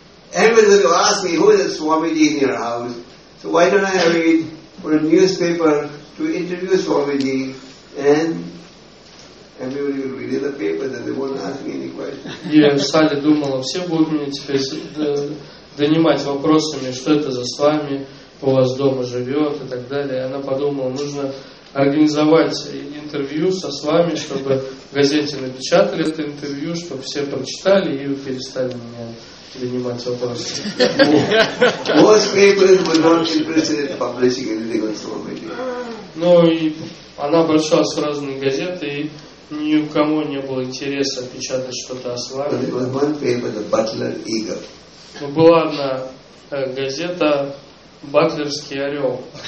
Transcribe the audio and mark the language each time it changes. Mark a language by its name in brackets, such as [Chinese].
[English] Everybody will ask me, who is this Swamiji in your house? So why don't I read for a newspaper to interview Swamiji? And everybody will read in the paper, then they won't ask me any questions. [Russian] Я в сале думал, все будут меня теперь донимать вопросами, что это за Свами, у вас дома живет и так далее. Она подумала, нужно организовать интервью со Свами, чтобы в газете напечатали это интервью, чтобы все прочитали и перестали меня принимать вопросы. [English] Most papers were not interested in publishing anything on Swamiji. [Russian] Ну и она обращалась в разные газеты, и ни у кого не было интереса печатать что-то о Свами. [English] But there was one paper, the Butler Eagle. [Russian] Но была одна газета «Батлерский орел».